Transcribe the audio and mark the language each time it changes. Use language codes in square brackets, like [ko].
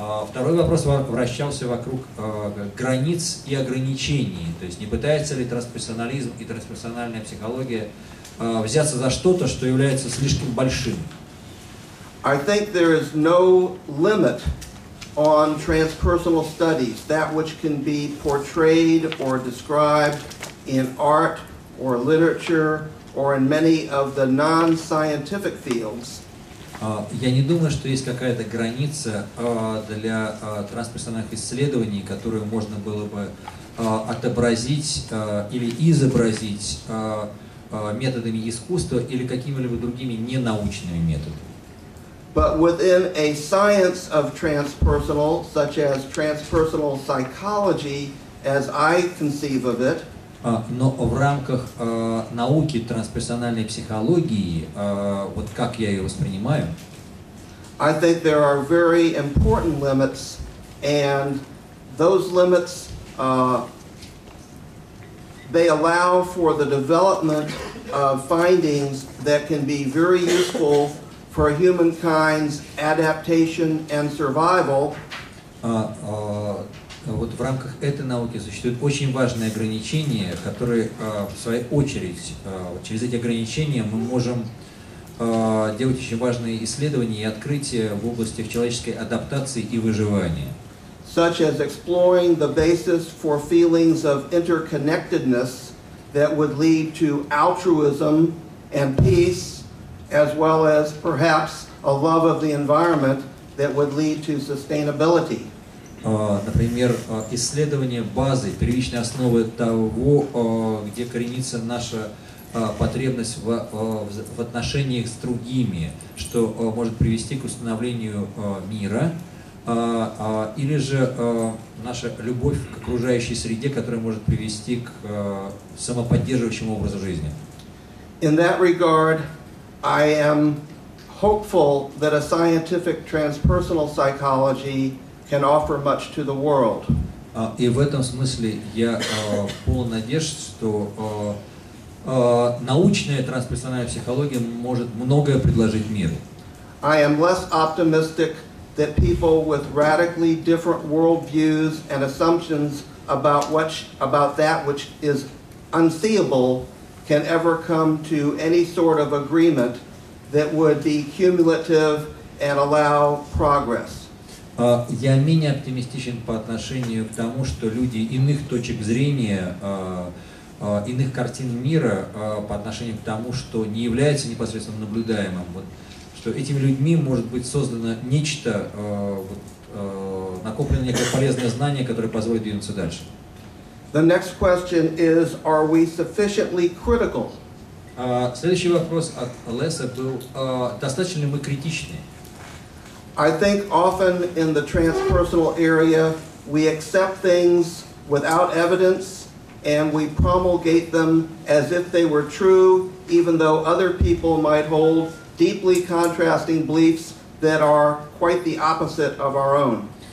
[ru] Второй вопрос вращался вокруг границ и ограничений. То есть не пытается ли трансперсонализм и трансперсональная психология взяться за что-то, что является слишком большим? [en] I think there is no limit on transpersonal studies, that which can be portrayed or described in art or literature or in many of the non-scientific fields. [ru] Я не думаю, что есть какая-то граница для трансперсональных исследований, которую можно было бы отобразить или изобразить методами искусства или какими-либо другими ненаучными методами. [en] But within a science of transpersonal, such as transpersonal psychology, as I conceive of it, [ru] но в рамках науки трансперсональной психологии, вот как я ее воспринимаю, [en] I think there are very important limits, and those limits, they allow for the development of findings that can be very useful for humankind's adaptation and survival. [ru] Вот в рамках этой науки существует очень важное ограничение, которое в свою очередь через эти ограничения мы можем делать очень важные исследования и открытия в области человеческой адаптации и выживания. [en] Such as exploring the basis for feelings of interconnectedness that would lead to altruism and peace, as well as perhaps a love of the environment that would lead to sustainability. [ru] Например, исследование базы, первичной основы того, где коренится наша потребность в отношениях с другими, что может привести к установлению мира, или же наша любовь к окружающей среде, которая может привести к самоподдерживающему образу жизни. [en] In that regard, I am hopeful that a scientific transpersonal psychology can offer much to the world. [ru] И в этом смысле я полон надежд, что научная трансперсональная психология может многое предложить миру. [en] I am less optimistic that people with radically different worldviews and assumptions about that which is unseeable can ever come to any sort of agreement that would be cumulative and allow progress. [ru] Я менее оптимистичен по отношению к тому, что люди иных точек зрения, иных картин мира по отношению к тому, что не является непосредственно наблюдаемым, вот, что этими людьми может быть создано нечто, накоплено некое полезное знание, которое позволит двинуться дальше. [en] The next question is, are we sufficiently critical? [ru] Следующий вопрос от Леса был, достаточно ли мы критичны? [en] I think often in the transpersonal area, we accept things without evidence, and we promulgate them as if they were true, even though other people might hold deeply contrasting beliefs that are quite the opposite of our own.